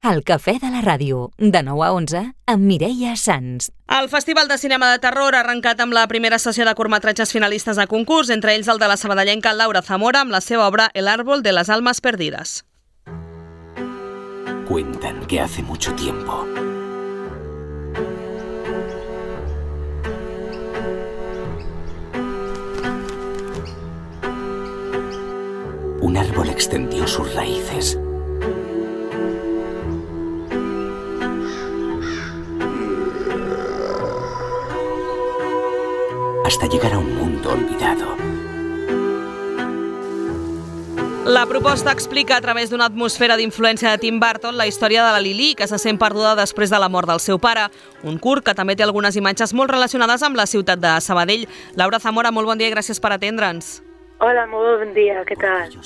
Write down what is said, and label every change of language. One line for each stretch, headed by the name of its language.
Catalan: El cafè de la ràdio, de 9 a 11, amb Mireia Sanz. El Festival de Cinema de Terror ha arrencat amb la primera sessió de curtmetratges finalistes de concurs, entre ells el de la sabadellenca Laura Zamora amb la seva obra El árbol de las almas perdidas.
Spanish: Cuentan que hace mucho tiempo un árbol extendió sus raíces hasta llegar a un mundo olvidado.
Catalan: La proposta explica a través d'una atmosfera d'influència de Tim Burton la història de la Lily, que se sent perduda després de la mort del seu pare. Un curt que també té algunes imatges molt relacionades amb la ciutat de Sabadell. Laura Zamora, molt bon dia i gràcies per atendre'ns. Hola, molt bon dia, què tal?